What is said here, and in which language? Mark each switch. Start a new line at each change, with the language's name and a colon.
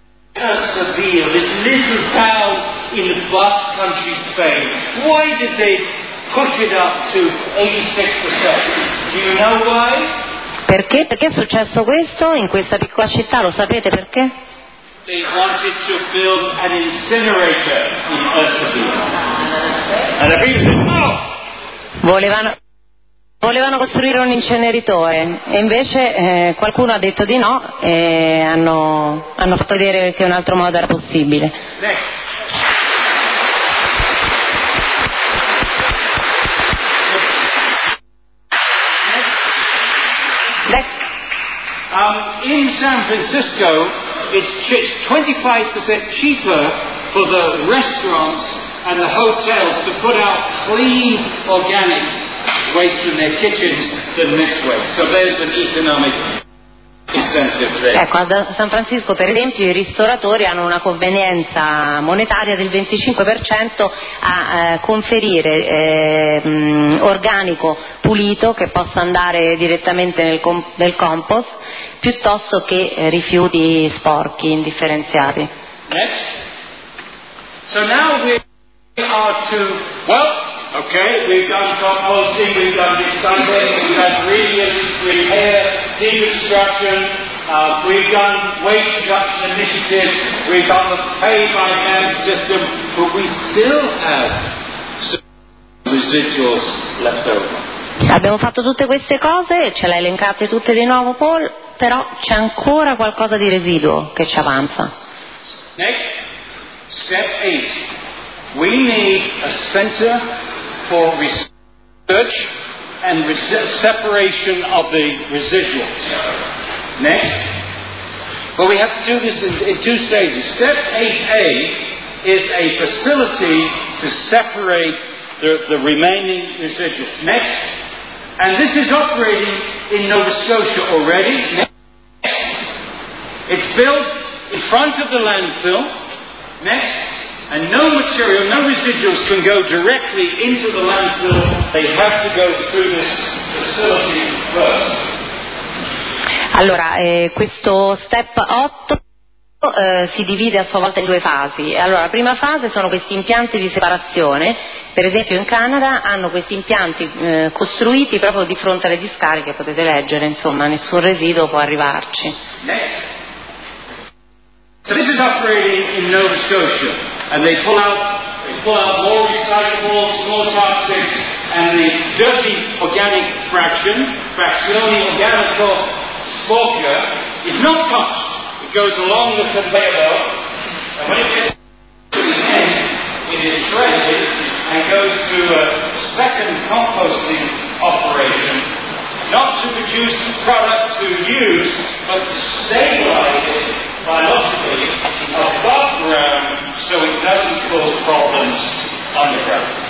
English: This little town in the Basque country, Spain. Why did they push it up to 86%? Do you know why?
Italian: Perché? Perché è successo questo in questa piccola città? Lo sapete perché?
English: They wanted to build an incinerator in Eusebio. And the people said no.
Italian: Volevano costruire un inceneritore e invece qualcuno ha detto di no e hanno fatto vedere che un altro modo era possibile.
English: Next. In San Francisco it's 25% cheaper for the restaurants and the hotels to put out clean organic waste in their kitchens than this way. So there's an economic
Italian: Ecco, a San Francisco per esempio i ristoratori hanno una convenienza monetaria del 25% a conferire organico pulito che possa andare direttamente nel compost piuttosto che rifiuti sporchi indifferenziati.
English: Next. So now we are to, well, okay, we've done composting, we've done this Sunday, we've had radius repair, deconstruction, we've done waste reduction initiatives, we've done the pay-by-hand system, but we still have some residuals left over.
Italian: Abbiamo fatto tutte queste cose, ce le hai elencate tutte di nuovo, Paul, però c'è ancora qualcosa di residuo che ci avanza.
English: Next, step 8. We need a center for research and separation of the residuals. Next. But we have to do this in two stages. Step 8A is a facility to separate the remaining residuals. Next. And this is operating in Nova Scotia already. Next. It's built in front of the landfill. Next. And no material, no residuals can go directly into the landfill. They have to go through this facility first.
Italian: Allora, questo step 8 si divide a sua volta in due fasi. Allora, la prima fase sono questi impianti di separazione. Per esempio in Canada hanno questi impianti costruiti proprio di fronte alle discariche, potete leggere, insomma, nessun residuo può arrivarci.
English: Next. So this is operating in Nova Scotia and they pull out more recyclables, more toxics and the dirty organic
Italian: fractioni organico sporca
English: is not touched. It goes along the conveyor belt, and when it gets to the end, it is shredded and goes to a second composting operation, not to produce product to use, but to stabilize it biologically above ground so it doesn't cause problems underground.